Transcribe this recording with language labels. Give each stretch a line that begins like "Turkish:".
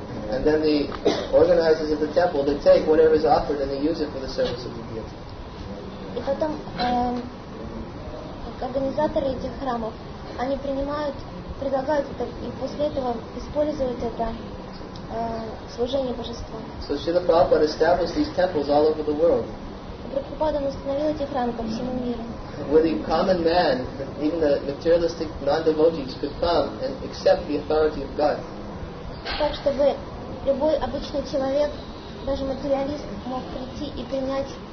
English: And then the organizers of the temple, they take whatever is offered and they use it for the service of the deity.
Russian: И потом организаторы этих храмов, они принимают, предлагают это и после этого используют это в служении божества.
English: So Srila Prabhupada established these temples all over the world.
Russian: Прабхупада установил эти храмы по всему миру.
English: Where the common man, even the materialistic non-devotees, could come and accept the authority of God.
Russian: Так, чтобы любой обычный человек, даже материалист, мог прийти и принять